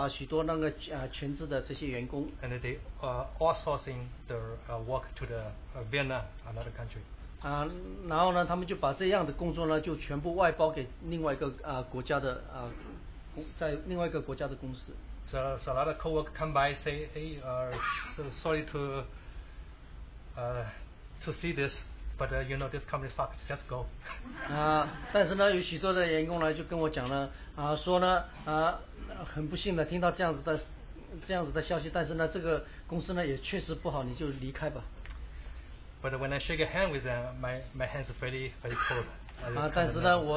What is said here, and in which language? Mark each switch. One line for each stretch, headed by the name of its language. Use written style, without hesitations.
Chinese: 科技部门呢，他们就裁掉许多那个全职的这些员工。
English: And they outsourcing their work to the Vietnam, another country.
Chinese: 然后呢，他们就把这样的工作呢，就全部外包给另外一个国家的公司。
English: So a lot of co-workers come by say, hey, sorry to see this. But you know this company sucks. Just go.
Chinese: 但是呢，有许多的员工呢就跟我讲呢，说呢，很不幸的听到这样子的消息。但是呢，这个公司呢也确实不好，你就离开吧。
English: But when I shake a hand with them, my hands are very very cold.